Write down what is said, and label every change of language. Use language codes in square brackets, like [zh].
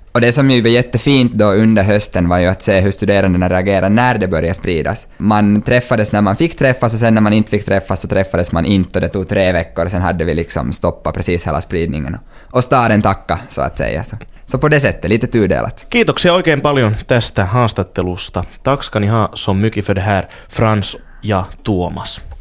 [sv] Och det som ju var jättefint då under hösten var ju att se hur studerandena reagerade när det började spridas. Man träffades när man fick träffas och sen när man inte fick träffas så träffades man inte. Och det tog 3 veckor och sen hade vi liksom stoppat precis hela spridningen. Och staden tacka, så att säga. Så på det sättet, lite tudelat. [fi] Kiitoksia oikein paljon tästä haastattelusta. [sv] Tack ska ni ha så mycket för det här, Frans ja Tuomas.